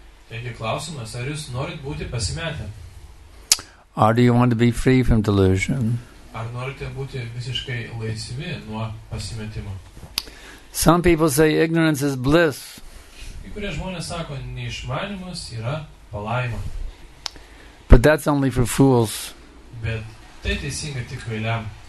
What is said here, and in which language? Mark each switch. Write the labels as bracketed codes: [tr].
[lt] Taigi klausimas, ar jūs norit būti pasimetę? [en] Or do you want to be free from delusion? [lt] Ar norite būti visiškai laisvi nuo pasimetimo? [en] Some people say ignorance is bliss. [lt] Kai kurie žmonės sako, neišmanimas yra palaima. [en] But that's only for fools. [lt] Bet tai teisinga tik kvailiam.